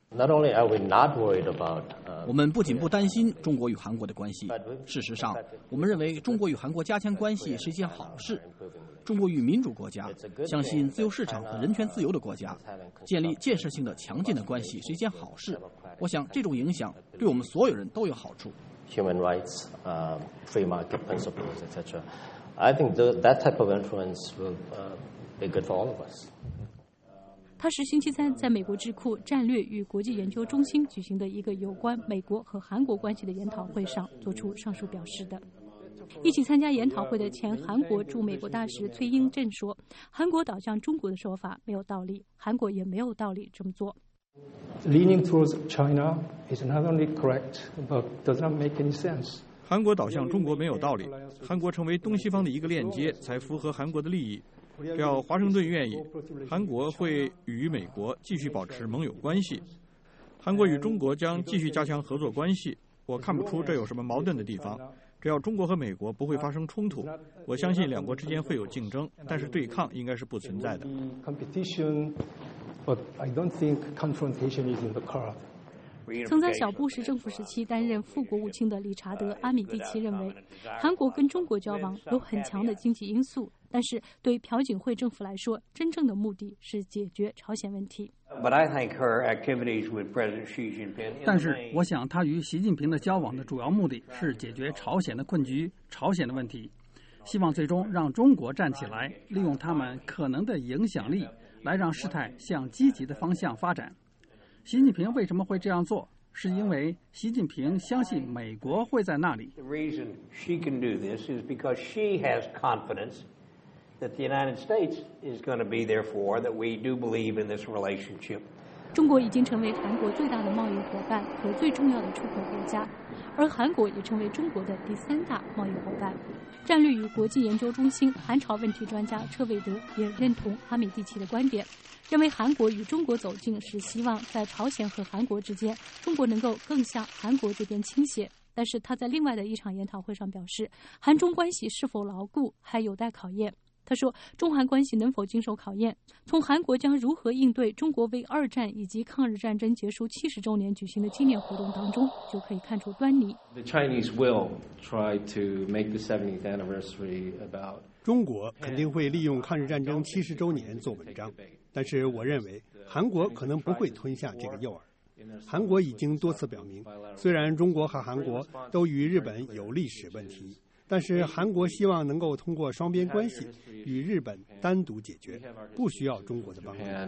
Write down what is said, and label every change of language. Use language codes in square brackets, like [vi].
[zh] 我们不仅不担心中国与韩国的关系，事实上我们认为中国与韩国加强关系是一件好事。中国与民主国家、相信自由市场和人权自由的国家建立建设性的强劲的关系是一件好事，我想这种影响对我们所有人都有好处。 [en] Human rights, free market principles, etc. I think that type of influence will be good for all of us. [zh] 他是星期三在美国智库战略与国际研究中心举行的一个有关美国和韩国关系的研讨会上做出上述表示的。一起参加研讨会的前韩国驻美国大使崔英镇说，韩国倒向中国的说法没有道理，韩国也没有道理这么做。 [en] Leaning towards China is not only correct, but does not make any sense. [zh] 韩国倒向中国没有道理，韩国成为东西方的一个链接才符合韩国的利益。要华盛顿愿意，韩国会与美国继续保持盟友关系，韩国与中国将继续加强合作关系。我看不出这有什么矛盾的地方，只要中国和美国不会发生冲突，我相信两国之间会有竞争，但是对抗应该是不存在的。 [en] But I don't think confrontation is in the card. [zh] 曾在小布什政府时期担任副国务卿的理查德·阿米蒂奇认为，韩国跟中国交往有很强的经济因素，但是对朴槿惠政府来说，真正的目的是解决朝鲜问题。 [en] But I think her activities with President Xi Jinping. [zh] 但是我想，她与习近平的交往的主要目的是解决朝鲜的困局、朝鲜的问题，希望最终让中国站起来，利用他们可能的影响力，来让事态向积极的方向发展。习近平为什么会这样做？是因为习近平相信美国会在那里。 [en] The reason she can do this is because she has confidence that the United States is going to be there for, that we do believe in this relationship. [zh] 中国已经成为韩国最大的贸易伙伴和最重要的出口国家，而韩国也成为中国的第三大贸易伙伴。战略与国际研究中心韩朝问题专家车伟德也认同阿米蒂奇的观点，认为韩国与中国走近是希望在朝鲜和韩国之间，中国能够更向韩国这边倾斜。但是他在另外的一场研讨会上表示，韩中关系是否牢固还有待考验。他说，中韩关系能否经受考验，从韩国将如何应对中国为二战以及抗日战争结束70周年举行的纪念活动当中就可以看出端倪。 [en] The Chinese will try to make the 70th anniversary about... [zh] 中国肯定会利用抗日战争70周年做文章，但是我认为韩国可能不会吞下这个诱饵。韩国已经多次表明，虽然中国和韩国都与日本有历史问题，但是韩国希望能够通过双边关系与日本单独解决，不需要中国的帮助。